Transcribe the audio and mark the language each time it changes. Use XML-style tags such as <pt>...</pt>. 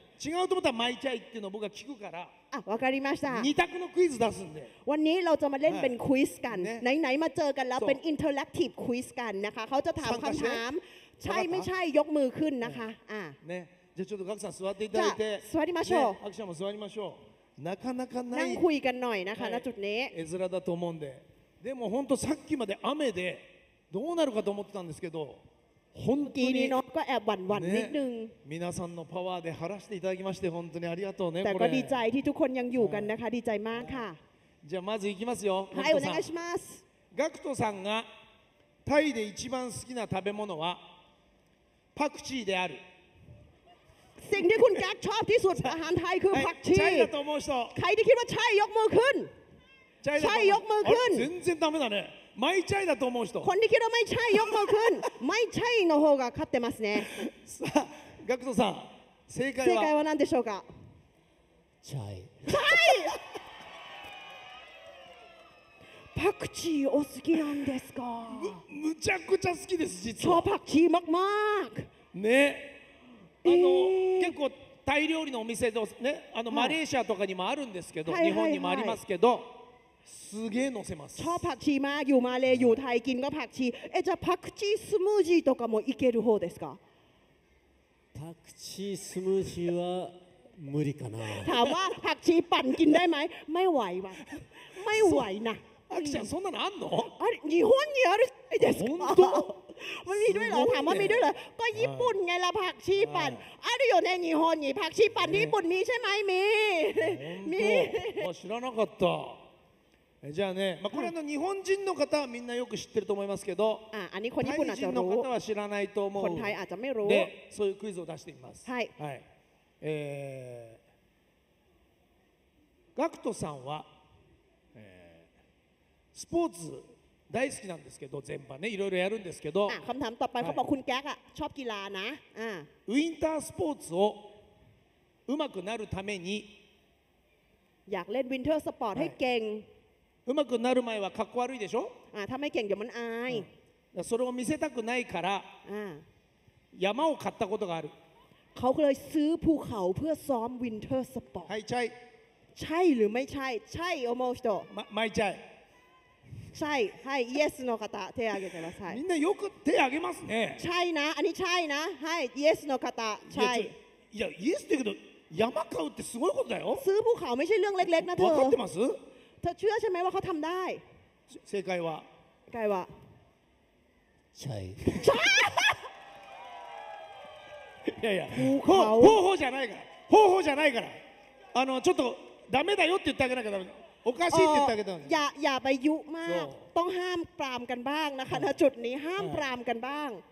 <ja>違うと思ったらマイチャイっていうのを僕が聞くから。あ、わかりました。二択のクイズ出すんで。</ja> <th>วันนี้เราจะมาเล่นเป็นควิสกัน。ไหนๆมาเจอกันแล้วเป็นอินเทอร์แอคทีฟควิสกันนะคะ。เขาจะถามคำถามใช่ไม่ใช่ยกมือขึ้นนะคะ。</th> <ja>あ、ね、じゃあちょっとガクさん座っていただいて。じゃあ座りましょう。ガクさんも座りましょう。なかなかない。</ja> <th>นั่งคุยกันหน่อยนะคะณจุดนี้。</th> <ja>絵面だと思うんで。でも本当さっきまで雨でどうなるかと思ってたんですけど、本当にノコエワンワンニング。皆さんのパワーで晴らしていただきまして本当にありがとうね。でも、ディジャイ、</ja> <th>ที่ทุกคนยังอยู่กันนะคะ、</th> <ja>ディジャイ、マーカ。じゃあまず行きますよ。はい、お願いします。ガクトさんがタイで一番好きな食べ物はパクチーである。</ja> <th>สิ่งที่คุณแก๊กชอบที่สุดอาหารไทยคือผักชี。 ใช่</th> <ja>だと思う人。</ja> <th>ใครที่คิดว่าใช่ยกมือขึ้น。 ใช่ยกมือขึ้น</th> <ja>全然ダメだね</ja> <th>ไม่ใช่</th> <ja>だと思う人</ja> <th>คนที่คิดว่าไม่ใช่ยกมือขึ้นไม่ใช่</th> <ja>の方が勝ってますねさあガクトさん正解は正解は何でしょうか</ja> <th>チャイ</th> <ja>チャイパクチーお好きなんですかむちゃくちゃ好きです実は超パクチーマクマクね結構タイ料理のお店でねマレーシアとかにもあるんですけど日本にもありますけどすげー乗せます。</ja> <th>ชอบผักชีมากอยู่มาเลยอยู่ไทยกินก็ผักชีเอจะผักชีสมูที</th> <ja>とかもいける方ですか？</ja> <th>ผักชีสมูที</th> <ja>は無理かな。</ja> <th>ถามว่าผักชีปั่นกินได้ไหมไม่ไหววะไม่ไหวนะ。</th> <ja>あきちゃんそんなのあんの？あれ日本にあるじゃないですか？本当？</ja> <th>มันมีด้วยเหรอถามว่ามีด้วยเหรอก็ญี่ปุ่นไงล่ะผักชีปั่นอะไรอยู่ในญี่ปุ่นนี่ผักชีปั่นญี่ปุ่นมีใช่ไหมมี มี。</th> <ja>本当？あ知らなかった。じゃあね、まあこれの日本人の方はみんなよく知ってると思いますけど、あ、日本人の方は知らないと思う。日本人あ、じゃあ、</ja> <zh>没有。</zh> <ja>で、そういうクイズを出してみます。はい。はい。ガクトさんは、スポーツ大好きなんですけど、全般ね、いろいろやるんですけど。</ja> <th>あ、คำถามต่อไปเขาบอกคุณแก๊กอ่ะชอบกีฬานะ。</th> <ja>ウィンタースポーツを上手くなるために、</ja> <th>อยากเล่นวินเทอร์สปอร์ตให้เก่ง。</th> <ja>うまくなる前はかっこ悪いでしょ？あ、ためけんでもんあい。それを見せたくないから、山を買ったことがある。</ja> <th>เขาเลยซื้อภูเขาเพื่อซ้อมวินเทอร์สปอร์ต。</th> <ja>はい、ใช่</ja> <th>。ใช่หรือไม่ใช่？ ใช่</th> <ja>思う人。</ja> <th>ま、ไม่ใช่。 ใช่、</th> <ja>はい、yes の方手挙げてください。みんなよく手挙げますね。</ja> <th>ใช่นะ、</th> <ja>あ、にใช่นะ、はい、yes の方、ใช่。いや、yes だけど山買うってすごいことだよ。</ja> <th>ซื้อภูเขาไม่ใช่เรื่องเล็กๆนะเธอ。</th> <ja>分かってます？</ja> <th>เธอเชื่อใช่ไหมว่าเขาทำได้</th> <ja>正解は正解は</ja> <th>ใช่ ใช่</th> <ja>いやいや方法じゃないから方法じゃないからちょっとダメだよって言ってあげなきゃダメおかしいって言ってあげた</ja> <th>のอย่าไปยุมากต้องห้ามปรามกันบ้างนะคะณจุดนี้ห้ามปรามกันบ้าง</th>